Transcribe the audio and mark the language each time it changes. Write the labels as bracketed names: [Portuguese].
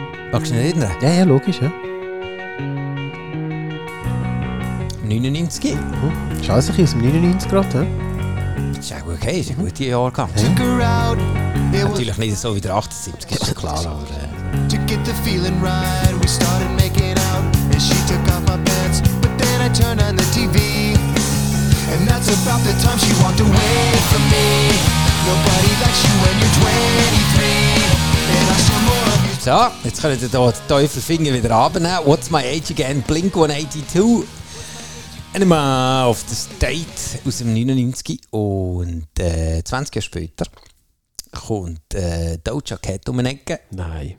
[German] Magst du nicht erinnern? Ja, ja, logisch. Ja. 99. Schau es sich aus dem 99 gerade. Ist ja okay, ist ein gutes Jahr gehabt. Natürlich nicht so wie der 78, ist ja klar. [English] Aber, to get the feeling right, we started making out. And she took off my pants, but then I turned on the TV. And that's about the time she walked away from me. Nobody likes you when you're 23. And I saw more of you. [German] So, jetzt können wir hier den Teufelfinger wieder abnehmen. [English] What's my age again? [German] Blink 182. Einmal auf the State aus dem 99. Und 20 Jahre später kommt Doja Cat um die Ecke. Nein.